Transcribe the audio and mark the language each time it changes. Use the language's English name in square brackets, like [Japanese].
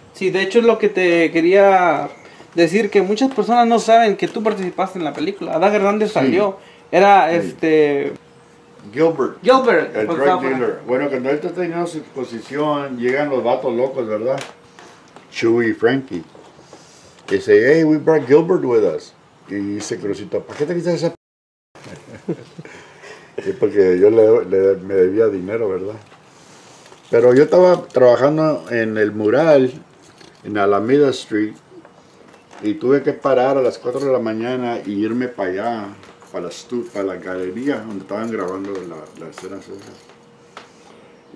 [Spanish] Sí, de hecho es lo que te quería decir, que muchas personas no saben que tú participaste en la película. Adán Hernández salió. Sí. Era Gilbert. El [English] drug dealer. [Spanish] Bueno, cuando él está teniendo su exposición, llegan los vatos locos, ¿verdad? Chewy y Frankie. Y dice, [English] hey, we brought Gilbert with us. [Spanish] Y dice Crucito, ¿para qué te quitas esa p***? Y porque yo me debía dinero, ¿verdad? Pero yo estaba trabajando en el mural, en Alameda Street, y tuve que parar a las 4 de la mañana e irme para allá, para la galería donde estaban grabando las escenas esas.